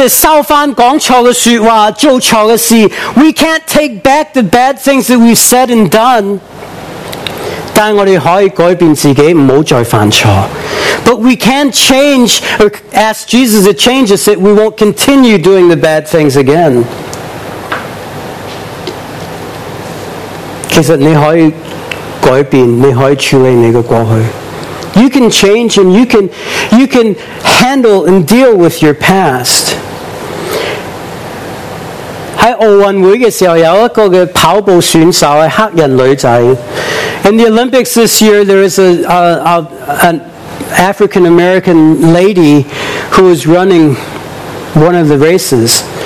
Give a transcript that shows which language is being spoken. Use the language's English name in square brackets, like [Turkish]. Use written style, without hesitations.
[Chinese] 我们不可以收回说错的说话，做错的事。 [English] We can't take back the bad things that we've said and done. [Chinese] 但我们可以改变自己，不要再犯错。 [English] But we can change or ask Jesus to change us that we won't continue doing the bad things again. [Chinese] 其实你可以改变，你可以处理你的过去。 [English] You can change and you can handle and deal with your past. [Chinese] 在奥运会的时候，有一个嘅跑步选手系黑人女仔。 [English] In the Olympics this year, there is an African-American lady who is running one of the races.